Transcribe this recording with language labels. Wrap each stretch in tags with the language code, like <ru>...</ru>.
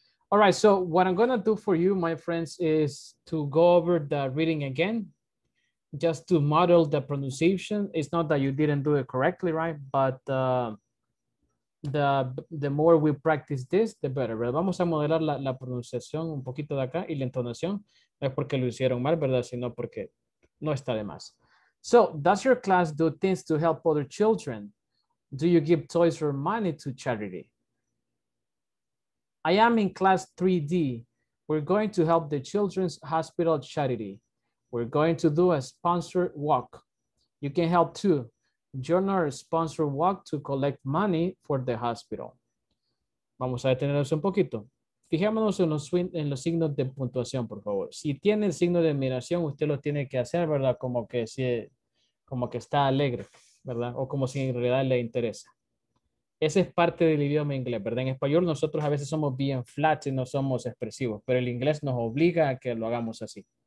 <en>All right, so what I'm going to do for you, my friends, is to go over the reading again, just to model the pronunciation. It's not that you didn't do it correctly, right? But the more we practice this, the better, ¿verdad?</en> <es>Vamos a modelar la pronunciación un poquito de acá y la entonación. No es porque lo hicieron mal, ¿verdad? Sino porque no está de más.</es> <en>So, does your class do things to help other children? Do you give toys or money to charity? I am in class 3D. We're going to help the children's hospital charity. We're going to do a sponsored walk. You can help too. Join our sponsor walk to collect money for the hospital.</en> <es>Vamos a detenernos un poquito. Fijémonos en los signos de puntuación, por favor. Si tiene el signo de admiración, usted lo tiene que hacer, ¿verdad? Como que está alegre, ¿verdad? O como si en realidad le interesa. Ese es parte del idioma inglés, ¿verdad? En español nosotros a veces somos bien flat y no somos expresivos, pero el inglés nos obliga a que lo hagamos así.</es>